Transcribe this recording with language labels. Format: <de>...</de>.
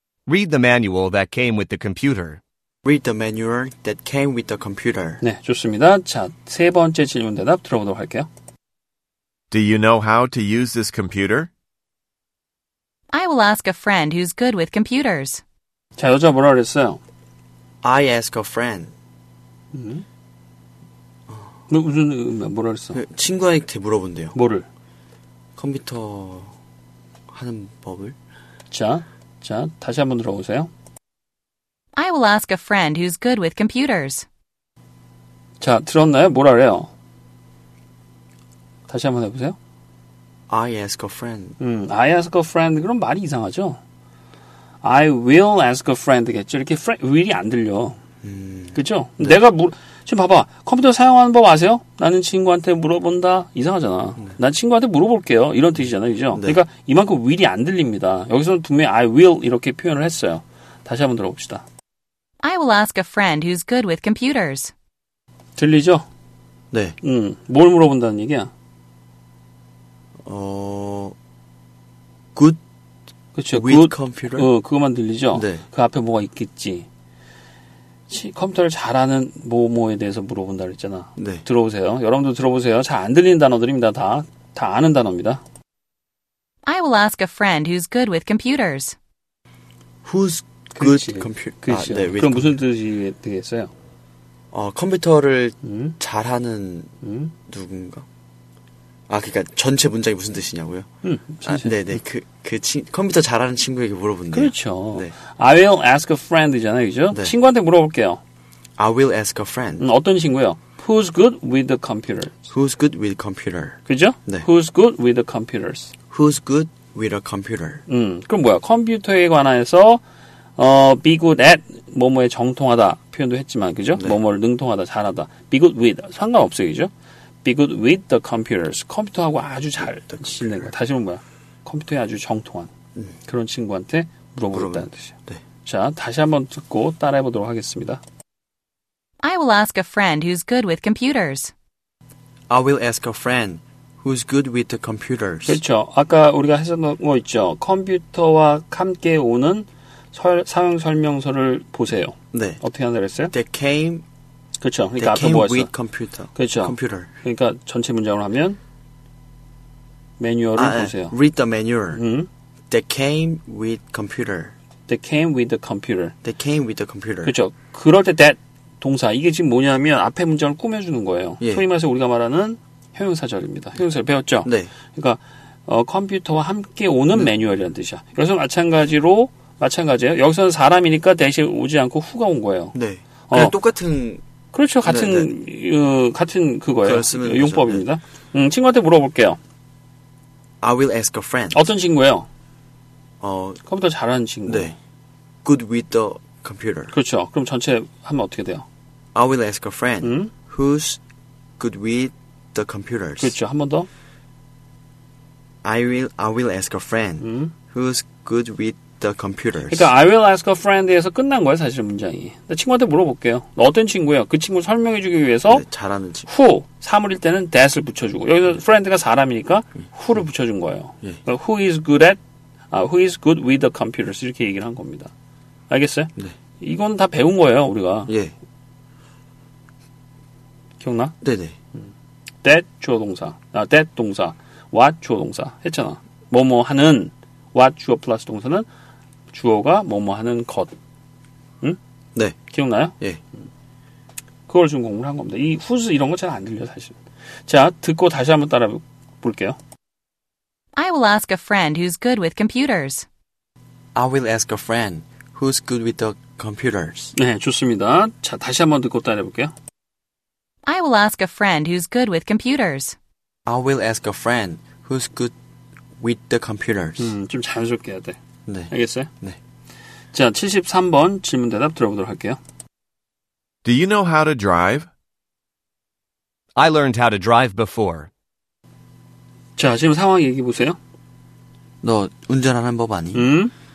<en>Read the manual that came with the computer. Read the manual that came with the computer.</en> <ko>네, 좋습니다. 자, 세 번째 질문 대답 들어보도록 할게요.</ko> <en>Do you know how to use this computer? I will ask a friend who's good with computers.</en> <ko>자, 여자 뭐라 그랬어요?</ko> <en>I ask a friend.</en> <ko>무슨 뭐라 했어? 친구한테 물어본대요. 뭐를? 컴퓨터 하는 법을? 자, 자 다시 한번 들어보세요.</ko> <en>I will ask a friend who's good with computers.</en> <ko>자, 들었나요? 뭐라 그래요? 다시 한번 해보세요.</ko> <en>I ask a friend. I ask a friend.</en> <ko>그럼 말이 이상하죠?</ko> <en>I will ask a friend겠죠?</en> <ko>이렇게 will이 안 들려. 그렇죠? 네. 내가 지금 봐봐. 컴퓨터 사용하는 법 아세요? 나는 친구한테 물어본다. 이상하잖아. 난 친구한테 물어볼게요. 이런 뜻이잖아요. 그죠? 네. 그러니까 이만큼 will이 안 들립니다. 여기서는 분명히</ko> <en>I will</en> <ko>이렇게 표현을 했어요. 다시 한번 들어봅시다.</ko> <en>I will ask a friend who's good with computers.</en> <ko>들리죠? 네. 뭘 물어본다는 얘기야?</ko> <en>good</en> <ko>그렇죠?</ko> <en>with good, computer?</en> <ko>그것만 들리죠? 네. 그 앞에 뭐가 있겠지. 컴퓨터를 잘 아는 뭐뭐에 대해서 물어본다 그랬잖아. 네. 들어보세요. 여러분도 들어보세요. 잘 안 들리는 단어들입니다. 다 아는 단어입니다.</ko> <en>I will ask a friend who's good with computers. Who's good computer?</en> <ko>아, 네, 그럼 무슨 뜻이 되겠어요? 컴퓨터를 잘 하는 누군가? 아, 그러니까 전체 문장이 무슨 뜻이냐고요? 네, 네. 컴퓨터 잘하는 친구에게 물어본대요. 그렇죠. 네.</ko> <en>I will ask a friend잖아요. 그죠?</en> <ko>네. 친구한테 물어볼게요.</ko> <en>I will ask a friend.</en> <ko>어떤 친구요?</ko> <en>Who's good with the computer? Who's good with computer?</en> <ko>그죠? 네.</ko> <en>Who's good with the computers? Who's good with a computer?</en> <ko>그럼 뭐야? 컴퓨터에 관해서 be good at 뭐뭐에 정통하다 표현도 했지만 그죠? 네. 뭐뭐를 능통하다, 잘하다.</ko> <en>Be good with</en> <ko>상관없어요. 그죠?</ko> <en>Be good with the computers.</en> <ko>컴퓨터하고 아주 잘 씻는 거야. 다시 한번 뭐야? 컴퓨터에 아주 정통한 그런 친구한테 물어보겠다는 뜻이야. 네. 자, 다시 한번 듣고 따라해보도록 하겠습니다.</ko> <en>I will ask a friend who's good with computers. I will ask a friend who's good with the computers.</en> <ko>그렇죠. 아까 우리가 했었던 거 있죠. 컴퓨터와 함께 오는 사용설명서를 보세요. 네. 어떻게 한다고 했어요?</ko> <en>They came...</en> <ko>그렇죠. 그러니까</ko> <en>they came</en> <ko>뭐</ko> <en>with computer.</en> <ko>그렇죠.</ko> <en>Computer.</en> <ko>그러니까 전체 문장으로 하면 매뉴얼을 보세요.</ko> <en>Read the manual.</en> <ko>응?</ko> <en>They came with computer. They came with the computer. They came with the computer.</en> <ko>그렇죠. 그럴 때 that 동사. 이게 지금 뭐냐면 앞에 문장을 꾸며주는 거예요. 예. 소위 말해서 우리가 말하는 형용사절입니다. 형용사를 배웠죠? 네. 그러니까 컴퓨터와 함께 오는 매뉴얼이라는 뜻이야. 그래서 마찬가지예요. 여기서는 사람이니까 대신 오지 않고 후가 온 거예요. 네. 그냥 똑같은... 그렇죠. 같은, 네, 네. 같은 그거예요. 그렇습니다. 용법입니다. 네. 친구한테 물어볼게요.</ko> <en>I will ask a friend.</en> <ko>어떤 친구예요? 컴퓨터 잘하는 친구. 네.</ko> <en>Good with the computer.</en> <ko>그렇죠. 그럼 전체 하면 어떻게 돼요?</ko> <en>I will ask a friend who's good with the computers.</en> <ko>그렇죠. 한 번 더.</ko> <en>I will ask a friend who's good with the computers.</en> <ko>그러니까</ko> <en>I will ask a friend</en> <ko>에서 끝난 거예요, 사실 문장이. 나 친구한테 물어볼게요. 너 어떤 친구예요? 그 친구 설명해 주기 위해서 네, 잘하는 친구. who 사물일 때는 that을 붙여 주고 여기서 friend가 사람이니까 who를 붙여 준 거예요. 네.</ko> <en>그러니까 who is good at who is good with the computers</en> <ko>이렇게 얘기를 한 겁니다. 알겠어요? 네. 이건 다 배운 거예요, 우리가. 예. 기억나? 네, 네. That that 주어동사. 아, that 동사. what 주어동사. 했잖아. 뭐뭐 하는 what 주어 플러스 동사는 주어가 뭐뭐 하는 것. 응? 네. 기억나요? 예. 그걸 지금 공부를 한 겁니다. 이 who's 이런 거 잘 안 들려 사실. 자, 듣고 다시 한번 따라 볼게요.</ko> <en>I will ask a friend who's good with computers. I will ask a friend who's good with the computers.</en> <ko>네, 좋습니다. 자, 다시 한번 듣고 따라해 볼게요.</ko> <en>I will ask a friend who's good with computers. I will ask a friend who's good with the computers.</en> <ko>좀 자연스럽게 해야 돼. 네. 알겠어요? 네. 자, 73번 질문 대답 들어보도록 할게요.</ko> <en>Do you know how to drive? I learned how to drive before.</en> <ko>자, 지금 상황 얘기 보세요. 너 운전하는 법 아니? 응?</ko>